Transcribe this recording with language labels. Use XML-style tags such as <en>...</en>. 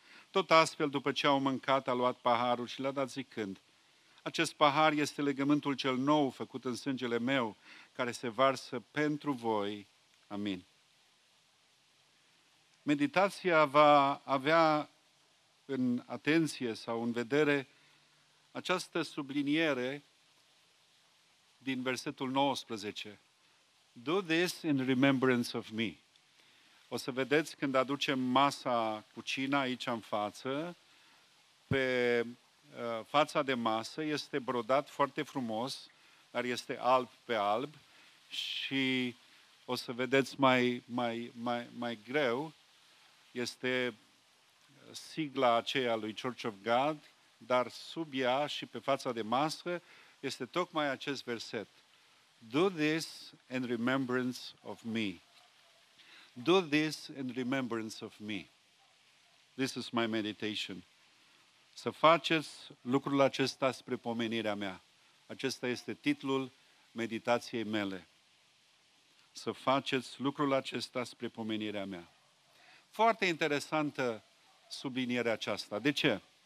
<ro>Tot astfel, după ce au mâncat, a luat paharul și l-a dat zicând: acest pahar este legământul cel nou făcut în sângele meu, care se varsă pentru voi. Amin. Meditația va avea în atenție sau în vedere această subliniere din versetul 19.</ro> <en>Do this in remembrance of me.</en> <ro>O să vedeți când aducem masa cu cina aici în față, pe fața de masă este brodat foarte frumos, dar este alb pe alb și o să vedeți mai greu, este sigla aceea lui Church of God, dar sub ea și pe fața de masă este tocmai acest verset:</ro> <en>do this in remembrance of me. Do this in remembrance of me. This is my meditation.</en> <ro>Să faceți lucrul acesta spre pomenirea mea. Acesta este titlul meditației mele. Să faceți lucrul acesta spre pomenirea mea. Foarte interesantă sublinierea aceasta. De ce?</ro>